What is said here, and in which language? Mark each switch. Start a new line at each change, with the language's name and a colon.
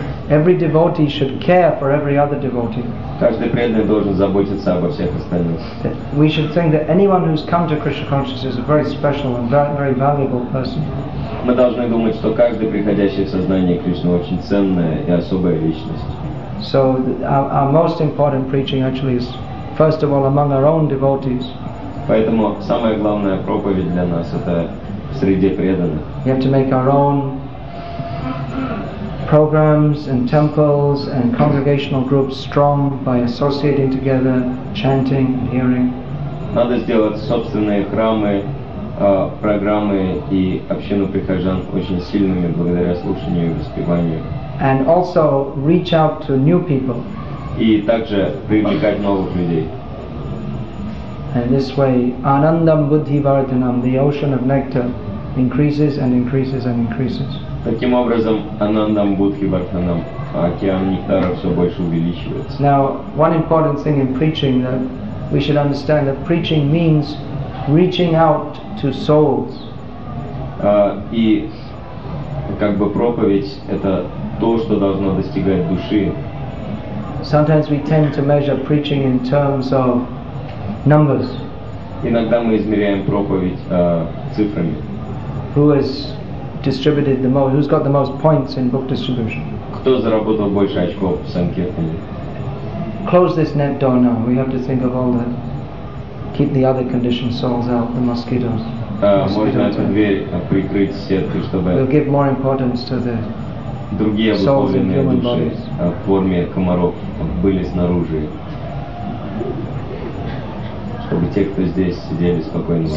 English: Every devotee should care for every other devotee.
Russian: Каждый преданный должен заботиться обо всех остальных.
English: We should think that anyone who's come to Krishna consciousness is a very special and very valuable person.
Russian: Мы должны думать, что каждый приходящий в сознание Кришны очень ценная и особая личность.
English: So our most important preaching actually is first of all among our own devotees.
Russian: Поэтому самая главная проповедь для нас это среди преданных.
English: We have to make our own programs and temples and congregational groups strong by associating together, chanting and hearing.
Russian: Надо сделать собственные храмы, программы и общину прихожан очень сильными благодаря слушанию и воспеванию.
English: And also reach out to new people.
Russian: И также привлекать новых людей.
English: And this way, Anandam Buddhi Vardhanam, the ocean of nectar, increases and increases and increases.
Russian: Таким образом, Анандам Будхи Вартханам, океан нектара все больше увеличивается.
English: Now, one important thing in preaching that we should understand that preaching means reaching out to souls.
Russian: И как бы проповедь это то, что должно достигать души.
English: Sometimes we tend to measure preaching in terms of numbers.
Russian: Иногда мы измеряем проповедь цифрами.
English: Who's got the most points in book distribution?
Russian: Кто заработал больше очков в санкиртане?
English: Close this net door now. We have to think of all that. Keep the other conditioned souls out, the mosquitoes.
Russian: Можно эту дверь прикрыть сеткой, чтобы.
English: We'll give more importance to the
Russian: другие
English: souls in human bodies.
Russian: В форме комаров были снаружи, чтобы те, кто здесь сидели спокойно.